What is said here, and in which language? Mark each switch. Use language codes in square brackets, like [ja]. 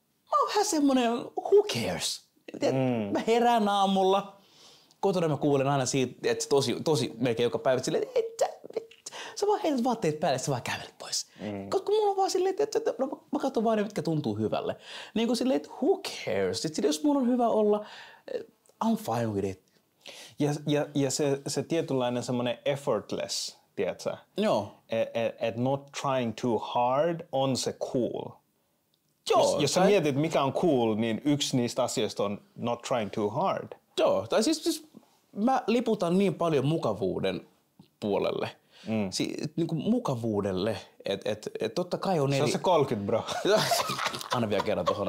[fi] Mä oon vähän semmonen [en] who cares. [fi] Mä herään aamulla, kotona mä kuulen aina siitä, että tosi melkein joka päivä silleen, että sä vaan heität vaatteet päälle ja sä vaan kävelet pois. Koska mulla on vaan silleen, että no, mä katson vaan ne, mitkä tuntuu hyvälle. Niinku silleen, että [en] who cares. [fi] Sitten jos mulla on hyvä olla, [en] I'm fine with it. [fi] Ja se tietynlainen semmoinen effortless, tiedätkö? Joo. Et [en] not trying too hard [fi] on se [en] cool. [fi] Joo. Jos sä mietit, mikä on cool, niin yksi niistä asioista on [en] not trying too hard. [fi] Joo. Tai siis mä liputan niin paljon mukavuuden puolelle. Niin kuin mukavuudelle. Et totta kai on eri... Se on se 30, bro. Anna vielä kerran tuohon.